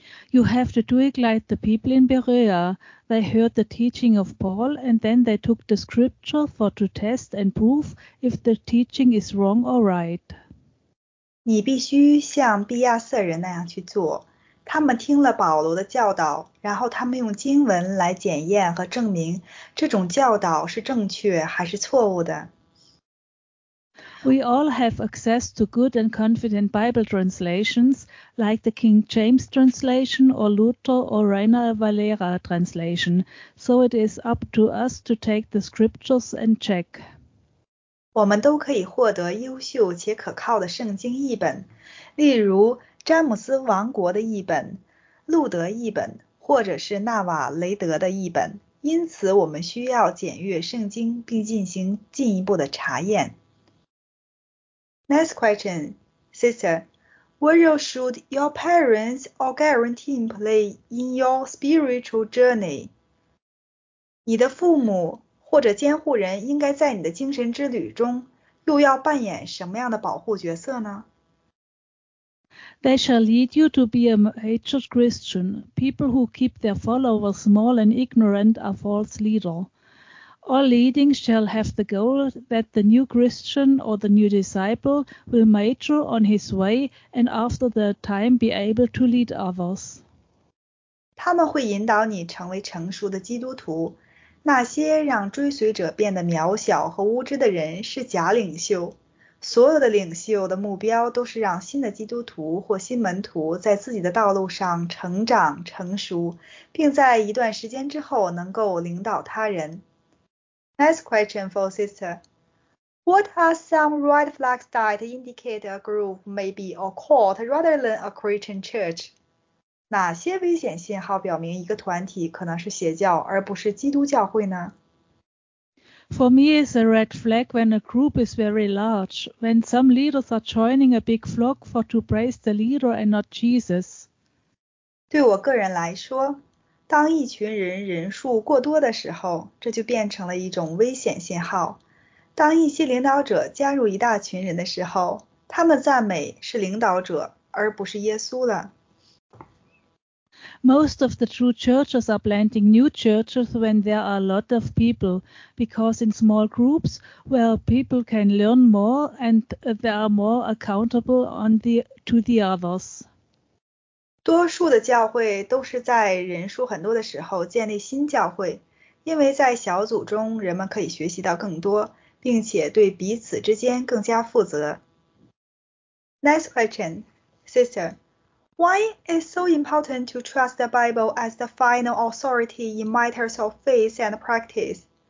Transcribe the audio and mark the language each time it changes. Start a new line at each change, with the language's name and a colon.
English: You have to do it like the people in Berea. They heard the teaching of Paul and then they took the scripture for to test and prove if the teaching is wrong or right.
Chinese: 你必须像比亚色人那样去做。他们听了保罗的教导，然后他们用经文来检验和证明这种教导是正确还是错误的。
English: We all have access to good and confident Bible translations, like the King James translation or Luther or Reina Valera translation. So it is up to us to take the scriptures and check.
Chinese: 我们都可以获得优秀且可靠的圣经译本，例如詹姆斯王国的译本、路德译本，或者是纳瓦雷德的译本。因此我们需要检阅圣经并进行进一步的查验。
English: Next question, sister, what role should your parents or guardian play in your spiritual journey?
Chinese: 你的父母或者监护人应该在你的精神之旅中又要扮演什么样的保护角色呢？
English: They shall lead you to be a hatred Christian. People who keep their followers small and ignorant are false leaders. All leading shall have the goal that the new Christian or the new disciple will mature on his way and after the time be able to lead others.
Chinese: 他们会引导你成为成熟的基督徒。那些让追随者变得渺小和无知的人是假领袖。所有的领袖的目标都是让新的基督徒或新门徒在自己的道路上成长成熟，并在一段时间之后能够领导他人。
English: Next question for sister. What are some red flags that indicate a group may be a cult rather than a Christian church?
Chinese: 哪些危险信号表明一个团体可能是邪教而不是基督教会呢？
English: For me, it's a red flag when a group is very large, when some leaders are joining a big flock for to praise the leader and not Jesus.
Chinese: 对我个人来说，当一群人人数过多的时候，这就变成了一种危险信号。当一些领导者加入一大群人的时候，他们赞美是领导者，而不是耶稣了。
English: Most of the true churches are planting new churches when there are a lot of people, because in small groups, well, people can learn more and they are more accountable to the others.
Chinese: 多数的教会都是在人数很多的时候建立新教会，因为在小组中人们可以学习到更多，并且对彼此之间更加负责。
English: Next question, sister. Why is it so important to trust the Bible as the final authority in matters of faith and practice?